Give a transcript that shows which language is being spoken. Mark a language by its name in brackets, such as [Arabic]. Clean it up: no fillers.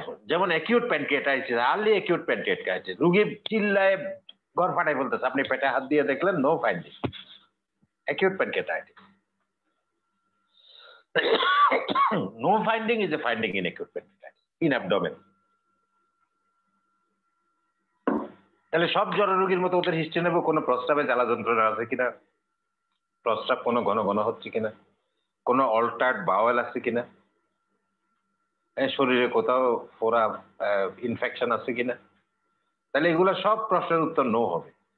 [Bangla] যেমন acute pancreatitis, early acute pancreatitis, রোগী চিল্লায় ঘর ফাটাই বলতেছে, আপনি পেটে হাত দিয়ে দেখলেন no finding, acute pancreatitis. [English] No finding is a finding in acute pancreatitis, in abdomen. [Bangla] তাহলে সব জ্বর রোগীর মতো ওদের হিস্ট্রি নেবো, কোনো প্রস্রাবে জ্বালা যন্ত্রণা আছে কিনা, প্রস্রাব কোনো ঘন ঘন হচ্ছে কিনা, কোনো অল্টার্ড বাওয়েল আছে কিনা, শরীরে কোথাও ফোড়া ইনফেকশন আছে কিনা, তাহলে এগুলো সব প্রশ্নের উত্তর নো হবে।